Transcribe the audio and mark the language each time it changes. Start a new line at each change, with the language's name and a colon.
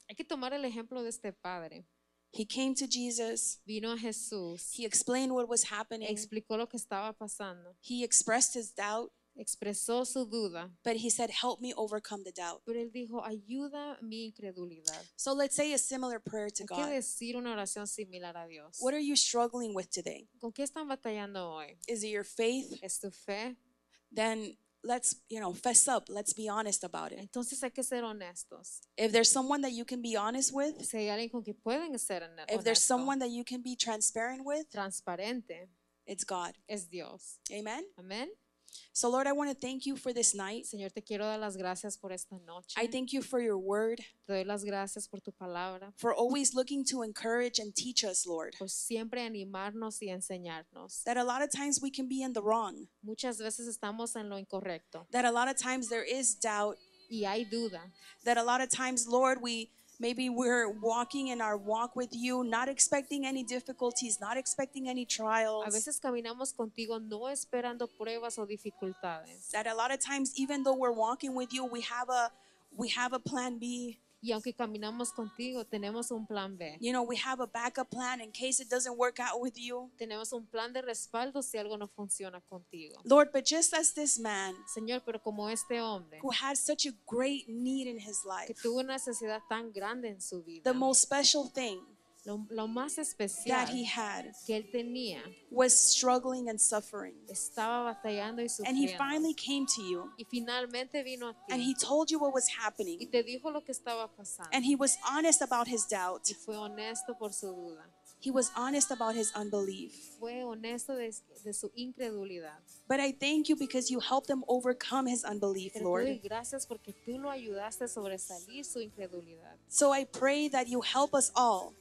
Spanish: Hay que tomar el ejemplo de este padre.
English: He came to Jesus.
Spanish: Vino a Jesús.
English: He explained what was happening.
Spanish: Explicó lo que estaba pasando.
English: He expressed his doubt.
Spanish: Expresó su duda.
English: But he said, help me overcome the doubt.
Spanish: Pero él dijo, ayuda mi incredulidad.
English: So let's say a similar prayer to God.
Spanish: Hay que decir una oración similar a Dios.
English: What are you struggling with today?
Spanish: ¿Con qué están batallando hoy?
English: Is it your faith?
Spanish: ¿Es tu fe?
English: Then let's, you know, fess up. Let's be honest about it.
Spanish: Entonces hay que ser honestos.
English: If there's someone that you can be honest with,
Spanish: si hay alguien con quien pueden ser honestos.
English: If there's someone that you can be transparent with,
Spanish: transparente.
English: It's God.
Spanish: Es Dios.
English: Amen.
Spanish: Amen.
English: So Lord, I want to thank you for this night.
Spanish: Señor, te quiero dar las gracias por esta noche.
English: I thank you for your word.
Spanish: Te doy las gracias por tu palabra.
English: For always looking to encourage and teach us, Lord.
Spanish: Por siempre animarnos y enseñarnos.
English: That a lot of times we can be in the wrong.
Spanish: Muchas veces estamos en lo incorrecto.
English: That a lot of times there is doubt.
Spanish: Y hay duda.
English: That a lot of times, Lord, maybe we're walking in our walk with you, not expecting any difficulties, not expecting any trials.
Spanish: A veces caminamos contigo no esperando pruebas o dificultades.
English: That a lot of times, even though we're walking with you, we have a plan B.
Spanish: Y aunque caminamos contigo, tenemos un plan B.
English: You know, we have a backup plan in case it doesn't work out with you.
Spanish: Tenemos un plan de respaldo si algo no funciona contigo.
English: Lord, but just as this man,
Spanish: Señor, pero como este hombre,
English: who had such a great need in his life,
Spanish: que tuvo una necesidad tan grande en su vida,
English: the most special thing,
Spanish: lo más especial
English: that he had,
Spanish: que él tenía,
English: was struggling and suffering.
Spanish: Estaba batallando y sufriendo.
English: And he finally came to you.
Spanish: Y finalmente vino a ti.
English: And he told you what was happening.
Spanish: Y te dijo lo que estaba pasando.
English: And he was honest about his doubt.
Spanish: Y fue honesto por su duda.
English: He was honest about his unbelief.
Spanish: Fue honesto de su incredulidad.
English: But I thank you because you helped him overcome his unbelief,
Spanish: pero
English: Lord.
Spanish: Gracias porque tú lo ayudaste a sobresalir su incredulidad.
English: So I pray that you help us all.